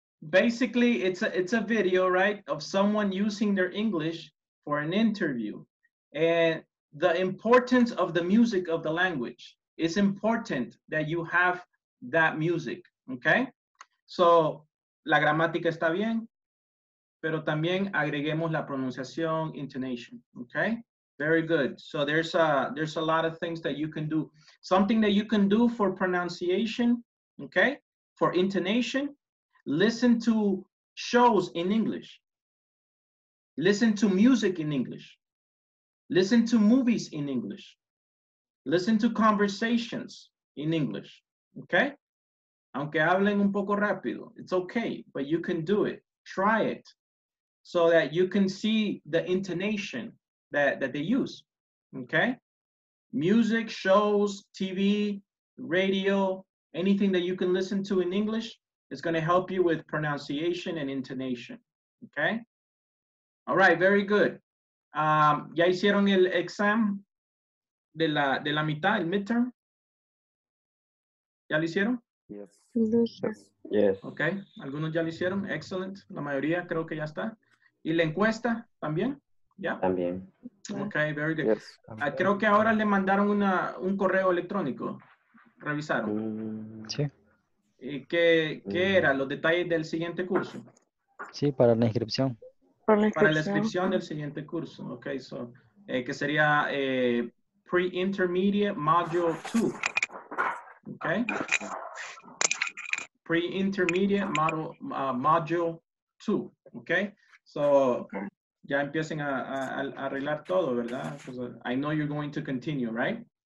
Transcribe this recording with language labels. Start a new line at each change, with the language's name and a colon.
English: Basically, it's a video, right, of someone using their English for an interview. And the importance of the music of the language. It's important that you have that music, okay?
Spanish: So, la gramática está bien, pero también agreguemos la pronunciación,
English: intonation, okay? Very good. So there's a lot of things that you can do. Something that you can do for pronunciation, okay? For intonation, listen to shows in English. Listen to music in English. Listen to movies in English. Listen to conversations in English, okay?
Spanish: Aunque hablen un poco rápido,
English: it's okay, but you can do it. Try it so that you can see the intonation that they use, okay? Music, shows, TV, radio, anything that you can listen to in English is gonna help you with pronunciation and intonation, okay? All right, very good.
Spanish: ¿Ya hicieron el exam de la mitad, el midterm? ¿Ya lo hicieron?
English: Yes.
Spanish: Okay, algunos ya lo hicieron, excellent. La mayoría creo que ya está. ¿Y la encuesta también? ¿Ya? También.
English: Okay, very good.
Spanish: Yes, creo que ahora le mandaron un correo electrónico. ¿Revisaron? Sí. ¿Y qué era? ¿Los detalles del siguiente curso? Sí, para la inscripción. Para la inscripción del siguiente curso, ok, so, que sería pre-intermediate module 2, ok, module 2, ok, so, ya empiecen a arreglar todo, ¿verdad?
English: Because I know you're going to continue, right?